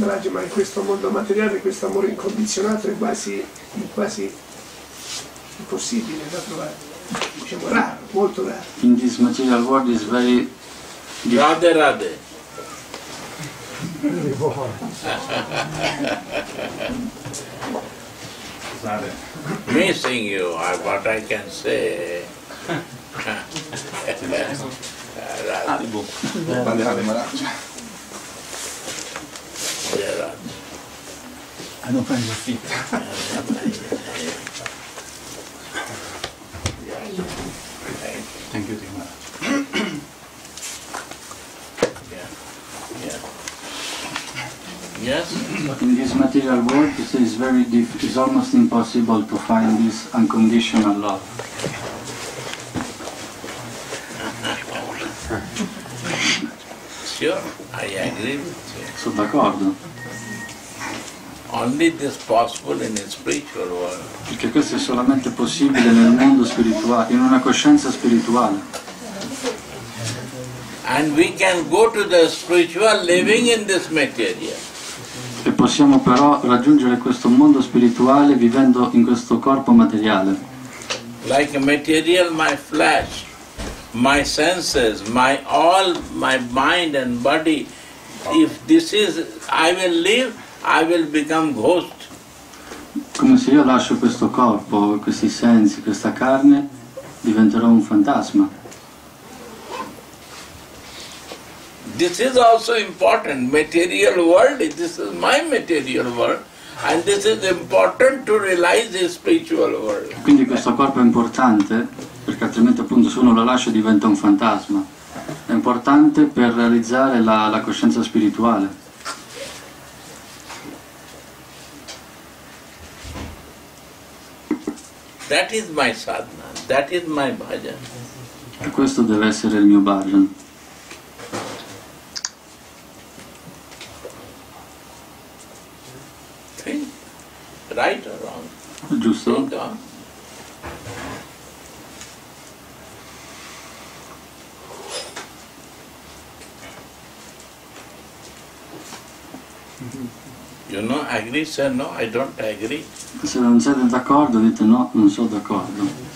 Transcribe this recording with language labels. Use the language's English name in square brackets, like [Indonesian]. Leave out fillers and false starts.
[Italian] Ma in questo mondo materiale questo amore incondizionato è quasi impossibile da trovare, diciamo raro, molto raro. [English] In this material world is very rare. Missing you are what I can say. I don't find your feet. Thank you, Sadhu Maharaja. Yes? In this material world, it is very difficult, it's almost impossible to find this unconditional love. Sure, I agree with you. [Italian] Sono d'accordo. [English] Only this possible in a spiritual world. [Italian] Perché questo è solamente possibile nel mondo spirituale, in una coscienza spirituale. [English] And we can go to the spiritual living in this material. [Italian] E possiamo però raggiungere questo mondo spirituale vivendo in questo corpo materiale. [English] Like a material, my flesh, my senses, my all, my mind and body. If this is, I will live. I will become ghost. [Italian] Come se io lascio questo corpo, questi sensi, questa carne, diventerò un fantasma. [English] This is also important, material world. This is my material world, and this is important to realize the spiritual world. [Italian] Quindi questo corpo è importante perché altrimenti appunto se uno lo lascia diventa un fantasma. È importante per realizzare la coscienza spirituale. [English] That is my sadhana, that is my bhajan. [Italian] E questo deve essere il mio bhajan. [English] Think, right or wrong? [Italian] Giusto. [English] You know, agree, say no, I don't agree. [Italian] Se non siete d'accordo, dite no, non sono d'accordo.